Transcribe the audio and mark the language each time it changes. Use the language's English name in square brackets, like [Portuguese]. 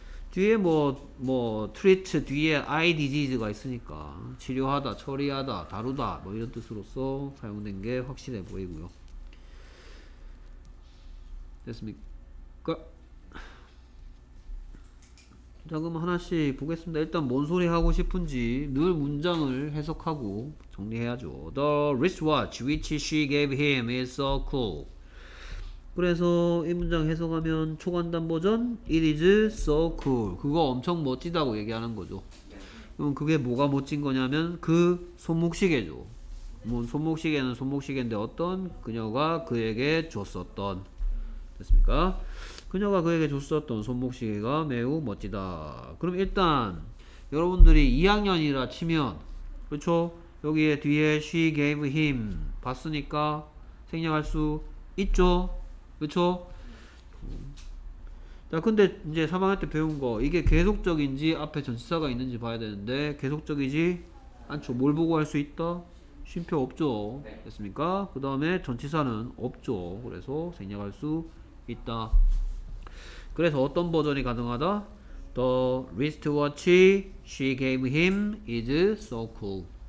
[Korean] 뒤에 뭐 treat 뒤에 eye disease가 있으니까 치료하다, 처리하다, 다루다 뭐 이런 뜻으로서 사용된 게 확실해 보이고요. 됐습니까? 자, 그럼 하나씩 보겠습니다. 일단 뭔 소리 하고 싶은지 늘 문장을 해석하고 정리해야죠. [English] The wristwatch which she gave him is so cool. [Korean] 그래서 이 문장 해석하면 초간단 버전 [English] It is so cool. [Korean] 그거 엄청 멋지다고 얘기하는 거죠. 그럼 그게 뭐가 멋진 거냐면 그 손목시계죠. 뭐 손목시계는 손목시계인데 어떤 그녀가 그에게 줬었던, 됐습니까? 그녀가 그에게 줬었던 손목시계가 매우 멋지다. 그럼 일단 여러분들이 2학년이라 치면, 그렇죠? 여기에 뒤에 [English] She gave him [Korean] 봤으니까 생략할 수 있죠? 그쵸? 자, 근데 이제 3학년 때 배운 거, 이게 계속적인지 앞에 전치사가 있는지 봐야 되는데, 계속적이지 않죠. 뭘 보고 할 수 있다? 쉼표 없죠. 네. 됐습니까? 그 다음에 전치사는 없죠. 그래서 생략할 수 있다. 그래서 어떤 버전이 가능하다? [English] The wristwatch she gave him is so cool.